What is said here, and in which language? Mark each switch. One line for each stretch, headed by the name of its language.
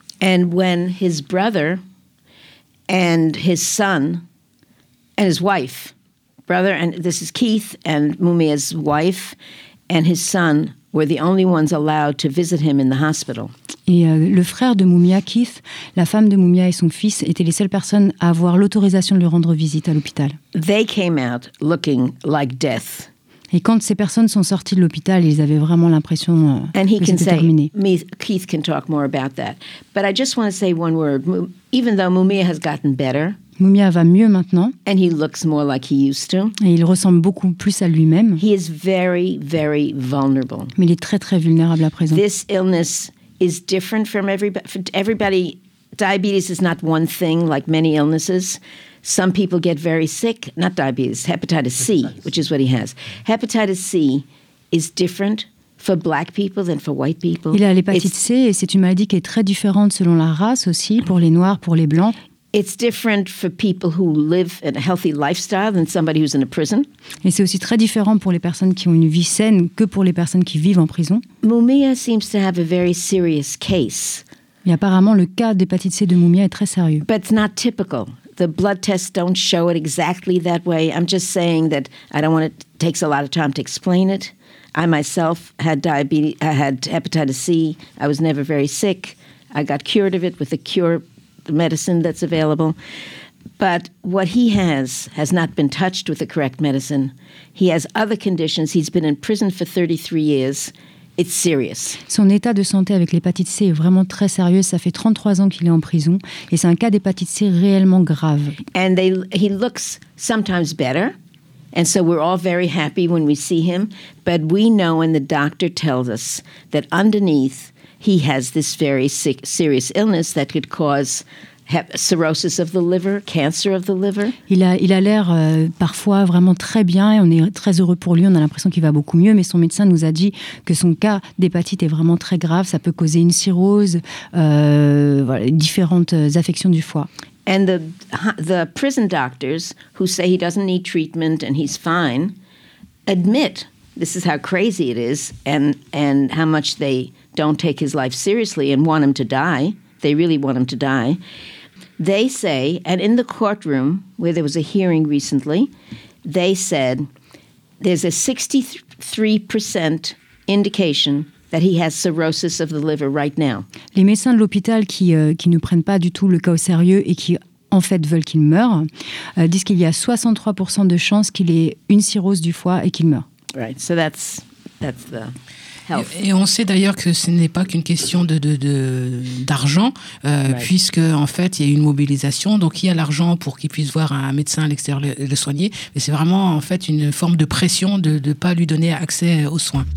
English: And when his brother and his son and his wife, brother, and this is Keith and Mumia's wife and his son were the only ones allowed to visit him in the hospital.
French: Et le frère de Mumia, Keith, la femme de Mumia et son fils étaient les seules personnes à avoir l'autorisation de lui rendre visite à l'hôpital.
English: They came out looking like death.
French: Et quand ces personnes sont sorties de l'hôpital, ils avaient vraiment l'impression que c'était terminé.
English: Keith can talk more about that. But I just want to say one word. Even though Mumia has gotten better,
French: Mumia va mieux maintenant.
English: And he looks more like he used to.
French: Et il ressemble beaucoup plus à lui-même.
English: He is very, very vulnerable.
French: Mais il est très, très vulnérable à présent.
English: This illness is different from everybody. Diabetes is not one thing like many illnesses. Some people get very sick, not diabetes, hepatitis C, which is what he has. Hepatitis C is different for black people than for white people.
French: Il a l'hépatite C et c'est une maladie qui est très différente selon la race aussi, pour les noirs, pour les blancs.
English: It's different for people who live in a healthy lifestyle than somebody who's in a prison.
French: Et c'est aussi très différent pour les personnes qui ont une vie saine que pour les personnes qui vivent en prison.
English: Mumia seems to have a very serious case.
French: Et apparemment, le cas d'hépatite C de Mumia est très sérieux.
English: But it's not typical. The blood tests don't show it exactly that way. I'm just saying that I don't want it takes a lot of time to explain it. I myself had diabetes. I had hepatitis C. I was never very sick. I got cured of it with the cure medicine that's available. But what he has not been touched with the correct medicine. He has other conditions. He's been in prison for 33 years. It's serious.
French: Son état de santé avec l'hépatite C est vraiment très sérieux. Ça fait 33 ans qu'il est en prison et c'est un cas d'hépatite C réellement grave.
English: And he looks sometimes better. And so we're all very happy when we see him. But we know and the doctor tells us that underneath he has this very sick, serious illness that could cause cirrhosis of the liver, cancer of the liver.
French: Il a l'air parfois vraiment très bien et on est très heureux pour lui. On a l'impression qu'il va beaucoup mieux, mais son médecin nous a dit que son cas d'hépatite est vraiment très grave. Ça peut causer une cirrhose, voilà, différentes affections du foie.
English: And the prison doctors who say he doesn't need treatment and he's fine admit this is how crazy it is and how much they don't take his life seriously and want him to die. They really want him to die. They say, and in the courtroom where there was a hearing recently, they said there's a 63% indication that he has cirrhosis of the liver right now.
French: Les médecins de l'hôpital qui ne prennent pas du tout le cas au sérieux et qui en fait veulent qu'il meure disent qu'il y a 63% de chances qu'il ait une cirrhose du foie et qu'il meure.
English: Right. So that's the
French: Et on sait d'ailleurs que ce n'est pas qu'une question d'argent, puisque en fait il y a une mobilisation, donc il y a l'argent pour qu'il puisse voir un médecin à l'extérieur et le soigner, mais c'est vraiment en fait une forme de pression de ne pas lui donner accès aux soins.